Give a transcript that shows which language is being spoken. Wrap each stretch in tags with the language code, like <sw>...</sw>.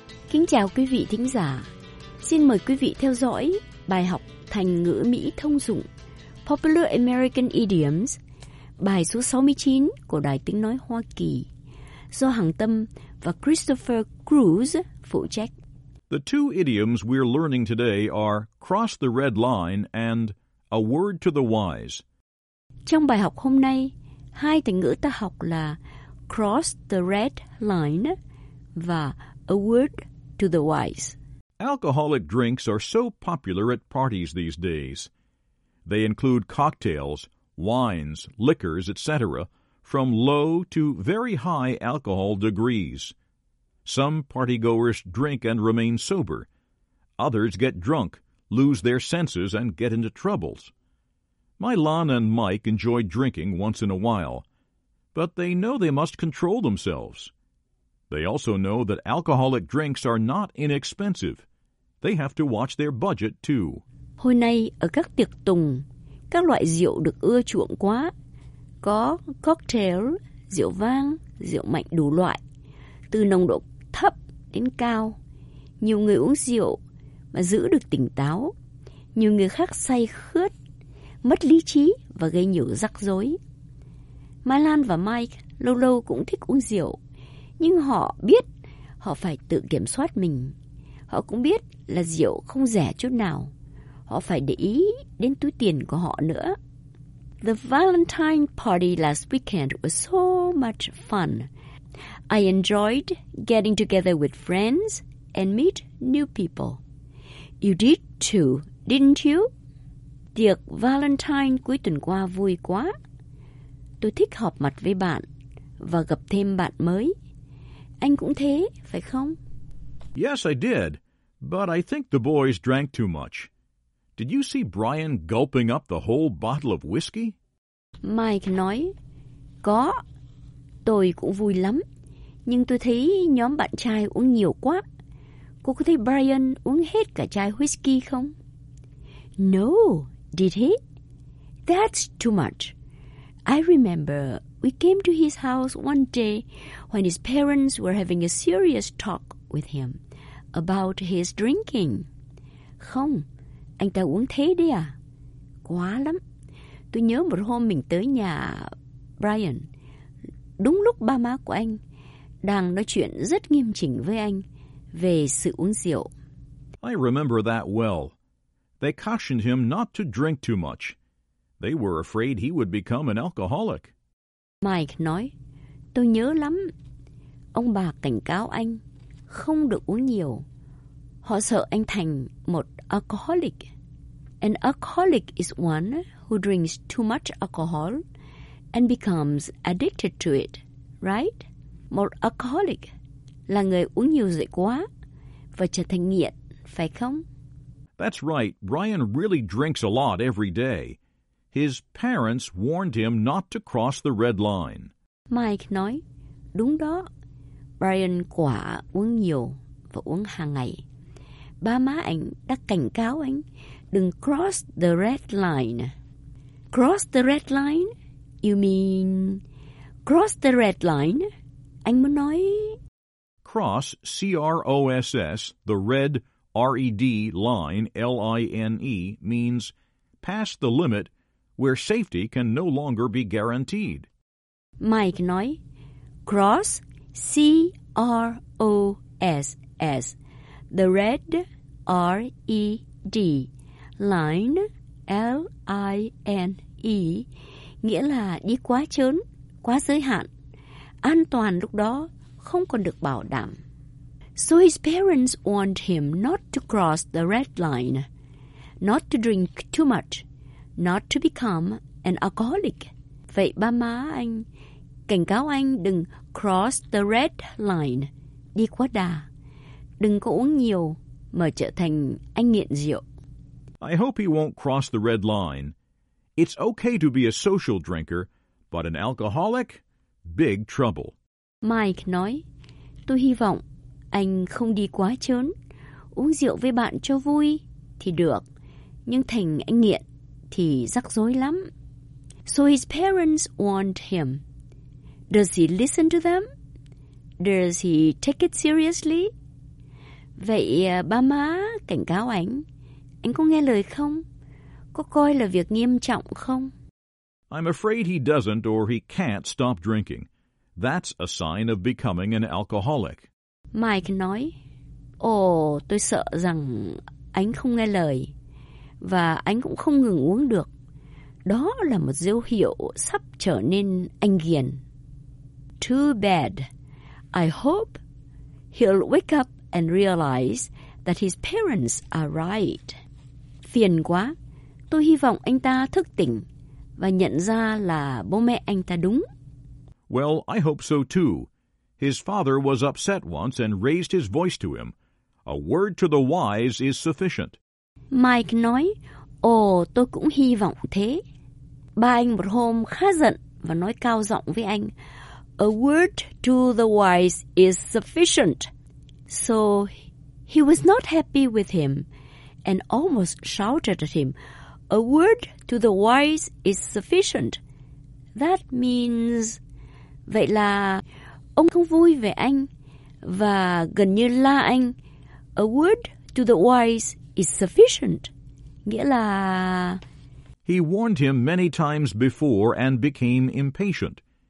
<vi>Kính chào quý vị thính giả. Xin mời quý vị theo dõi bài học thành ngữ Mỹ thông dụng Popular American Idioms, bài số 69 của Đài Tiếng Nói Hoa Kỳ, do Hằng Tâm và Christopher Cruz phụ trách.</vi> <en>The two idioms we're learning today are cross the red line and a word to the wise.</en> <vi>Trong bài học hôm nay, hai thành ngữ ta học là</vi> <en>cross the red line</en> <vi>và</vi> <en>a word to the wise. Alcoholic drinks are so popular at parties these days. They include cocktails, wines, liquors, etc., from low to very high alcohol degrees. Some partygoers drink and remain sober. Others get drunk, lose their senses, and get into troubles. Milan and Mike enjoy drinking once in a while, but they know they must control themselves. They also know that alcoholic drinks are not inexpensive. They have to watch their budget, too.</en> <vi>Hôm nay, ở các tiệc tùng, các loại rượu được ưa chuộng quá. Có cocktail, rượu vang, rượu mạnh đủ loại, từ nồng độ thấp đến cao. Nhiều người uống rượu mà giữ được tỉnh táo. Nhiều người khác say khướt, mất lý trí và gây nhiều rắc rối. Milan và Mike lâu lâu cũng thích uống rượu, nhưng họ biết họ phải tự kiểm soát mình. Họ cũng biết là rượu không rẻ chút nào. Họ phải để ý đến túi tiền của họ nữa.</vi> <en>The Valentine party last weekend was so much fun. I enjoyed getting together with friends and meet new people. You did too, didn't you?</en> <vi>Tiệc Valentine cuối tuần qua vui quá. Tôi thích họp mặt với bạn và gặp thêm bạn mới. Anh cũng thế, phải không?</vi> <en>Yes, I did. But I think the boys drank too much. Did you see Brian gulping up the whole bottle of whiskey?</en> <vi>Mike nói, có. Tôi cũng vui lắm. Nhưng tôi thấy nhóm bạn trai uống nhiều quá. Cô có thấy Brian uống hết cả chai whiskey không?</vi> <en>No, did he? That's too much. I remember we came to his house one day when his parents were having a serious talk with him about his drinking.</en> <vi>Không, anh ta uống thế đấy à? Quá lắm. Tôi nhớ một hôm mình tới nhà Brian, đúng lúc ba má của anh đang nói chuyện rất nghiêm chỉnh với anh về sự uống rượu.</vi> <en>I remember that well. They cautioned him not to drink too much. They were afraid he would become an alcoholic.</en> <vi>Mike nói, tôi nhớ lắm. Ông bà cảnh cáo anh không được uống nhiều. Họ sợ anh thành một alcoholic.</vi> <en>An alcoholic is one who drinks too much alcohol and becomes addicted to it, right?</en> <vi>Một alcoholic là người uống nhiều rượu quá và trở thành nghiện, phải không?</vi> <en>That's right. Brian really drinks a lot every day. His parents warned him not to cross the red line.</en> <vi>Mike nói, đúng đó. Brian quả uống nhiều và uống hàng ngày. Ba má anh đã cảnh cáo anh đừng</vi> <en>cross the red line. Cross the red line? You mean cross the red line?</en> <vi>Anh muốn nói</vi> <en>cross, C-R-O-S-S, the red, R-E-D, line, L-I-N-E, means pass the limit where safety can no longer be guaranteed.</en> <vi>Mike nói,</vi> <en>cross, C-R-O-S-S, the red, R-E-D, line, L-I-N-E,</en> <vi>nghĩa là đi quá chớn, quá giới hạn. An toàn lúc đó không còn được bảo đảm.</vi> <en>So his parents warned him not to cross the red line, not to drink too much, not to become an alcoholic.</en> <vi>Vậy ba má anh cảnh cáo anh đừng</vi> <en>cross the red line,</en> <vi>đi quá đà. Đừng có uống nhiều mà trở thành anh nghiện rượu.</vi> <en>I hope he won't cross the red line. It's okay to be a social drinker, but an alcoholic? Big trouble.</en> <vi>Mike nói, tôi hy vọng anh không đi quá chớn. Uống rượu với bạn cho vui thì được, nhưng thành anh nghiện thì rắc rối lắm.</vi> <en>So his parents warned him. Does he listen to them? Does he take it seriously?</en> <vi>Vậy ba má cảnh cáo anh, anh có nghe lời không? Có coi là việc nghiêm trọng không?</vi> <en>I'm afraid he doesn't or he can't stop drinking. That's a sign of becoming an alcoholic.</en> <vi>Mike nói, ồ, tôi sợ rằng anh không nghe lời và anh cũng không ngừng uống được. Đó là một dấu hiệu sắp trở nên anh nghiện.</vi> <en>Too bad. I hope he'll wake up and realize that his parents are right.</en> <vi>Phiền quá. Tôi hy vọng anh ta thức tỉnh và nhận ra là bố mẹ anh ta đúng.</vi> <en>Well, I hope so too. His father was upset once and raised his voice to him. A word to the wise is sufficient.</en> <vi>Mike nói, ồ, tôi cũng hy vọng thế. Ba anh một hôm khá giận và nói cao giọng với anh,</vi> <en>a word to the wise is sufficient. So he was not happy with him and almost shouted at him, a word to the wise is sufficient. That means,</en> <vi>vậy là ông không vui về anh và gần như la anh,</vi> <en>a word to the wise is sufficient.</en> <vi>Nghĩa là...</vi> <en>He warned him many times before and became impatient.</en>